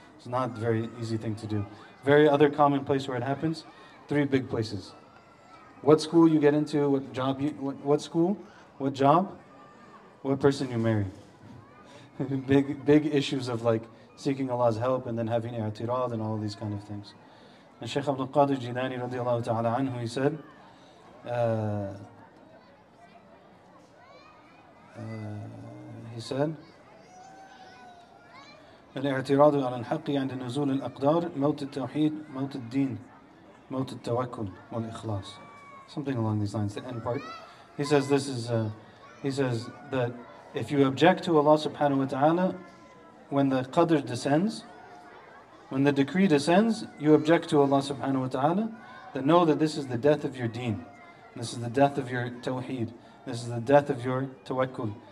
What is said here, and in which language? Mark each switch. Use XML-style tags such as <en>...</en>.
<en>It's not a very easy thing to do. Very other common place where it happens, three big places. What school you get into, what job, what person you marry. big issues of like seeking Allah's help and then having i'tirad and all these kind of things. And Shaykh Abdul Qadir Jilani radiallahu ta'ala anhu, he said,</en> <ar>الاعتراض على الحق عند نزول الأقدار موت التوحيد موت الدين موت التوكل والإخلاص.</ar> <en>Something along these lines, the end part. He says that if you object to Allah subhanahu wa ta'ala, when the qadr descends, when the decree descends, you object to Allah subhanahu wa ta'ala, then know that this is the death of your deen. This is the death of your tawheed. This is the death of your tawakkul.</en>